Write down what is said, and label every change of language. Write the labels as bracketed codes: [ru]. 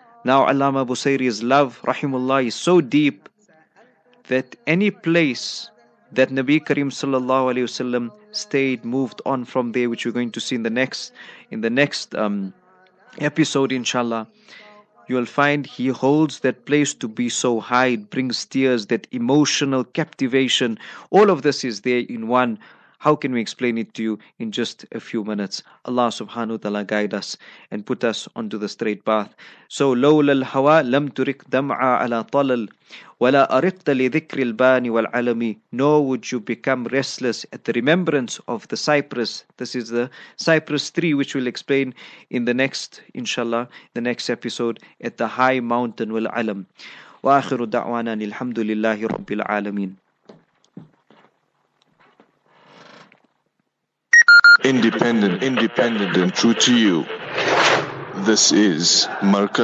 [en] Now Allama Abu Sayri's love, Rahimullah, is so deep that any place that Nabi Karim Sallallahu Alaihi Wasallam stayed, moved on from there, which we're going to see in the next episode, inshallah, you'll find he holds that place to be so high. It brings tears, that emotional captivation. All of this is there in one. How can we explain it to you in just a few minutes? Allah subhanahu wa ta'ala guide us and put us onto the straight path. [ar] So, لولا الهوى لم ترك دمعا على طلل ولا أرقت لذكر الباني والعلمي. [en] Nor would you become restless at the remembrance of the cypress. This is the cypress tree, which we'll explain in the next, inshallah, the next episode, at the high mountain والعلم. [ar] وآخر دعوانا الحمد لله رب العالمين. [en] Independent and true to you. This is Marcus.